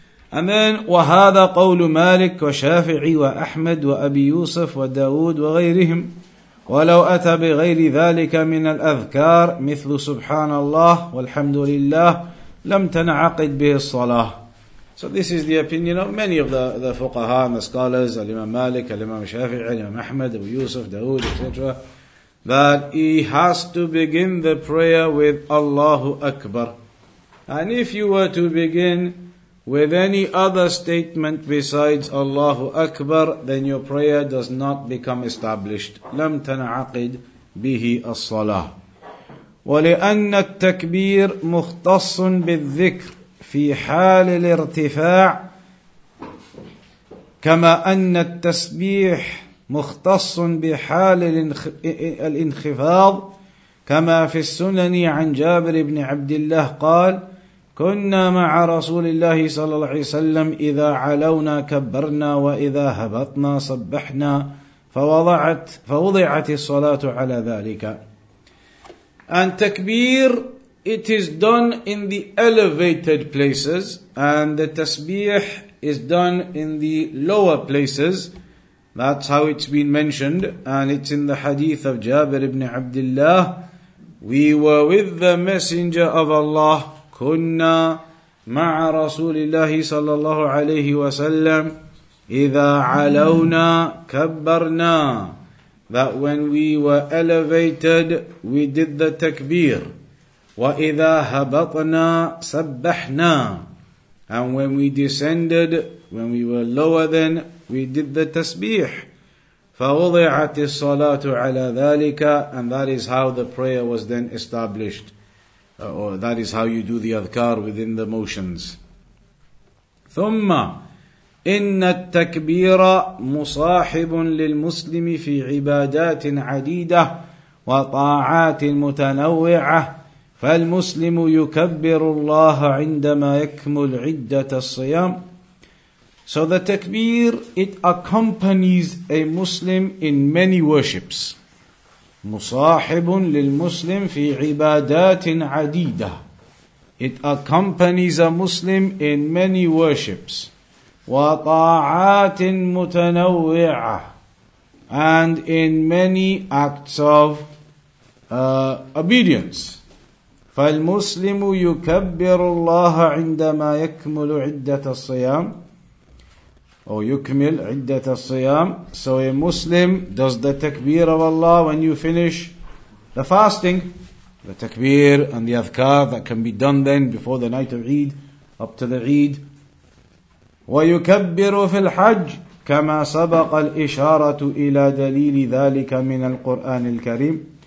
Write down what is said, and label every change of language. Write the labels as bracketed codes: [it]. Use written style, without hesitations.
[en] And then [ar] وهذا قول مالك وشافعي وأحمد وأبي يوسف وداود وغيرهم ولو أتى بغير ذلك من الأذكار مثل سبحان الله والحمد لله لم تنعقد به الصلاة. [en] So this is the opinion of many of the fuqaha and the scholars, Imam Malik, Imam Shafi'i, Imam Ahmad, Abu Yusuf, Dawood, etc., that he has to begin the prayer with Allahu Akbar. And if you were to begin with any other statement besides Allahu Akbar, then your prayer does not become established. [ar] لَمْ تَنَعَقِدْ بِهِ الصَّلَاةِ وَلِأَنَّ التَّكْبِيرُ مُخْتَصٌ بِالذِّكْرِ فِي حَالِ الْإِرْتِفَاعِ كَمَا أَنَّ التَّسْبِيحِ مُخْتَصٌ بِحَالِ الْإِنْخِفَاضِ كَمَا فِي السُنَنِ عَنْ جَابِرِ بْنِ عَبْدِ اللَّهِ قَالَ كنا مع رسول الله صلى الله عليه وسلم إذا علونا كبرنا وإذا هبطنا صبحنا فوضعت الصلاة على ذلك. [en] And takbir, it is done in the elevated places, and the tasbih is done in the lower places. That's how it's been mentioned, and it's in the hadith of Jabir ibn Abdullah. We were with the Messenger of Allah. [ar] كنا مع رسول الله صلى الله عليه وسلم إذا علونا كبرنا. [en] That when we were elevated, we did the takbir. [ar] وإذا هبطنا سبحنا. [en] And when we descended, when we were lower then, we did the tasbih. [ar] فوضعت الصلاة على ذلك. [en] And that is how the prayer was then established. That is how you do the adhkar within the motions. [ar] ثم إن التكبير مصاحب للمسلم في عبادات عديدة وطاعات متنوعة فالمسلم يكبر الله عندما يكمل عدة الصيام. [en] So the takbir, it accompanies a Muslim in many worships. [ar] مصاحب للمسلم في عبادات عديدة. [en] It accompanies a Muslim in many worships. [ar] وطاعات متنوعة. [en] And in many acts of obedience. [ar] فالمسلم يكبر الله عندما يكمل عدة الصيام. Or yukmil iddat al-siyam. [en] So a Muslim does the takbir of Allah when you finish the fasting. The takbir and the adhkar that can be done then before the night of Eid, up to the Eid. [ar] وَيُكَبِّرُ فِي الْحَجِّ كَمَا سَبَقَ الْإِشَارَةُ إِلَى دَلِيلِ ذَلِكَ مِنَ الْقُرْآنِ الْكَرِيمِ.